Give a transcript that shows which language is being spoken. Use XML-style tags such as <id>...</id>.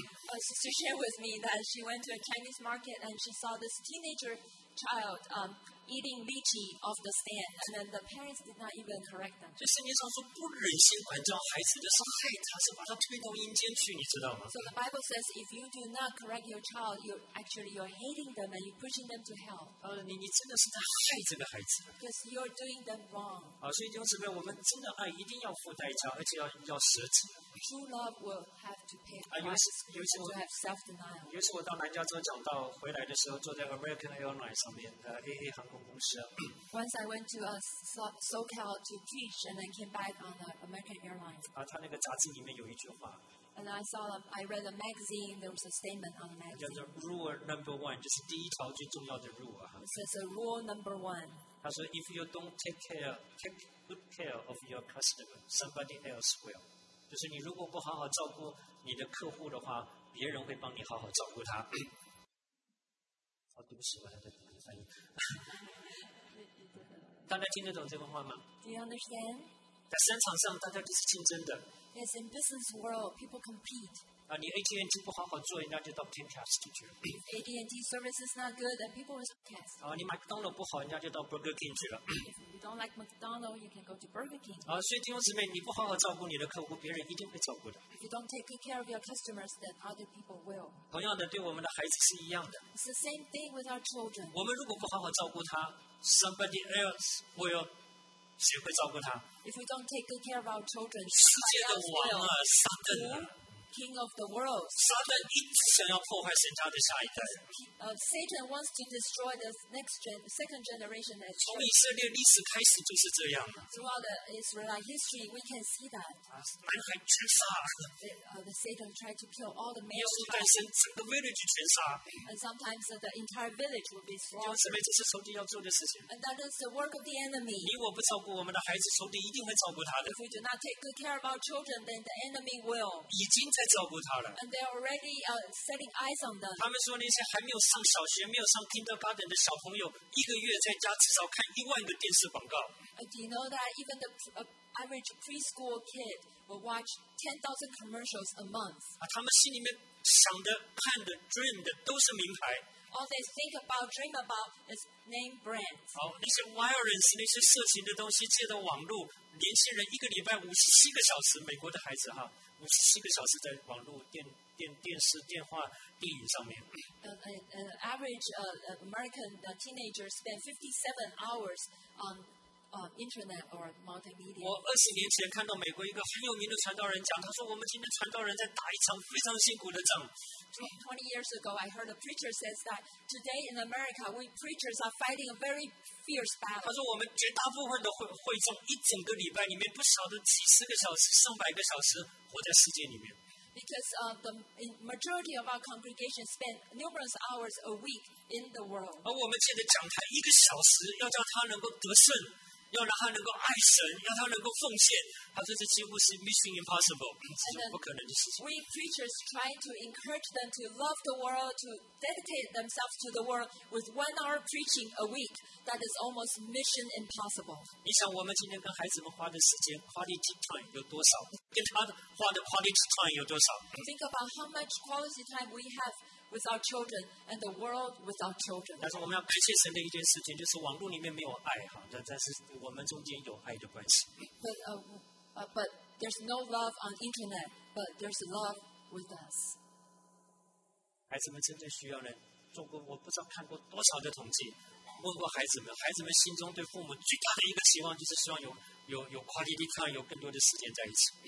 <en>She shared with me that she went to a Chinese market and she saw this teenager child eating lychee off the stand, and then the parents did not even correct them.</en> <zh>所以圣经上说不忍心管教孩子的伤害，他是把他推到阴间去，你知道吗</zh> <en>？So the Bible says if you do not correct your child, you're hating them and you're pushing them to hell.</en> <zh>你真的是在害这个孩子。</zh> <en>Because you're doing them wrong.</en> <zh>好，所以弟兄姊妹，我们真的爱一定要付代价，而且要舍己。</zh> <en>True love will have to pay a price to have self-denial.</en> <zh>有一次我到南加州讲道回来的时候，坐在 American Airlines 上面的 AA 航空公司。</zh> <en>Once I went to SoCal to preach and then came back on the American Airlines.</en> <zh>他那个杂志里面有一句话。</zh> <en>And I read a magazine. There was a statement on the magazine.</en> <zh>叫做</zh> <en>Rule Number One，</en> <zh>就是第一条最重要的 rule 啊。</zh> <en>It says a Rule Number One.</en> <zh>他说</zh> <en>，If you don't take good care of your customer, somebody else will.</en> <zh>就是你如果不好好照顾你的客户的话，别人会帮你好好照顾他。哦，对不起，我还在等你翻译。大家听得懂这个话吗？</zh> <en>Do you understand?</en> <zh>在商场上，大家都是竞争的。</zh> <en>Yes, in business world, people compete.</en> <zh>啊，你 AT&T 不好好做，人家就到 Comcast 去了。</zh> <en>AT&T service is not good, then people will Comcast.</en> <zh>啊，你麦当劳不好，人家就到 Burger King 去了。</zh> <en>If you don't like McDonald, you can go to Burger King.</en> <zh>啊，所以弟兄姊妹，你不好好照顾你的客户，别人一定会照顾的。</zh> <en>If you don't take good care of your customers, then other people will.</en> <zh>同样的，对我们的孩子是一样的。</zh> <en>It's the same thing with our children.</en> <zh>我们如果不好好照顾他。</zh> <en>Somebody else will.</en> <zh>谁会照顾他？</zh> <en>If we don't take good care of our children,</en> <zh>世界的王啊，撒旦啊，</zh> <en>King of the world,</en> <zh>撒旦一直想要破坏神家的下一代。</zh> <en>Satan wants to destroy the next second generation.</en> <zh>从以色列历史开始就是这样。</zh> <en>Throughout the Israelite history, we can see that.</en> <zh>男孩全杀。</zh> <en>Satan tried to kill all the men.</en> <zh>耶稣诞生，整个 village 全杀。</zh> <en>And sometimes the entire village will be slaughtered.</en> <zh>因为这是仇敌要做的事情。</zh> <en>And that is the work of the enemy.</en> <zh>你我不照顾我们的孩子，仇敌一定会照顾他的。</zh> <en>If we do not take good care of our children, then the enemy will.</en> <zh>已经在照顾他了。</zh> <en>And they are already setting eyes on them.</en> <zh>他们说那些还没有杀。上小学没有上 kindergarten 的小朋友，一个月在家至少看一万个电视广告。</zh> <en>Do you know that even the average preschool kid will watch 10,000 commercials a month？</en> <zh>啊，他们心里面想的、看的、dream 的都是名牌。</zh> <en>All they think about, dream about is name brands。</en> <zh>好，那些 violence， 那些色情的东西，借着网络，年轻人一个礼拜57个小时，美国的孩子哈，57个小时在网络电视、电话、电影上面。</zh> <en>Average American teenager spend 57 hours on internet or multimedia.</en> <zh>我二十年前看到美国一个很有名的传道人讲，他说我们今天传道人在打一场非常辛苦的仗。</zh> <en>20 years ago, I heard a preacher says that today in America, we preachers are fighting a very fierce battle.</en> <zh>他说我们绝大部分的会众一整个礼拜里面不少的几十个小时、上百个小时活在世界里面。</zh> <en>Because the majority of our congregation spend numerous hours a week in the world.</en> <zh>而我们借着讲台一个小时，要叫他能够得胜，要让他能够爱神，要他能够奉献。他说这几乎是</zh> <en>mission impossible，</en> <zh>这是不可能的事情。</zh> <en>We preachers try to encourage them to love the world, to dedicate themselves to the world with 1 hour preaching a week. That is almost mission impossible.</en> <zh>你想我们今天跟孩子们花的时间 quality time 有多少？跟他花的 quality time 有多少</zh> <en>？Think about how much quality time we have with our children and the world with our children.</en> <zh>但是我们要感谢神的一件事情，就是网络里面没有爱哈，但是我们中间有爱的关系。</zh> <en>But there's no love on internet, but there's love with us.</en> <zh>孩子们真正需要呢，做过我不知道看过多少的统计，问过孩子们，孩子们心中对父母最大的一个期望就是希望有 quality time， 有更多的时间在一起。</zh>